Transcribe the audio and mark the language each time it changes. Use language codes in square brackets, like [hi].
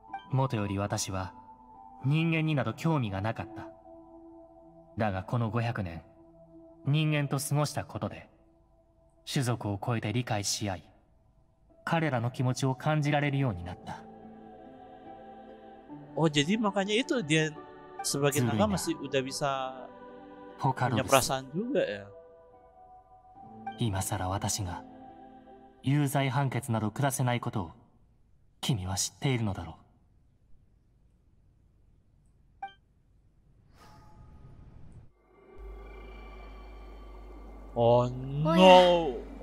[ja] もとより私は人間になど興味がなかった。だがこの500年人間と過ごしたことで、種族を超えて理解し合い、彼らの気持ちを感じられるようになった。 [id] Oh, jadi makanya itu dia sebagai naga masih udah bisa punya perasaan juga ya. [ja] 今さら私が有罪判決など下せないことを君は知っているのだろう。 [en] Oh no!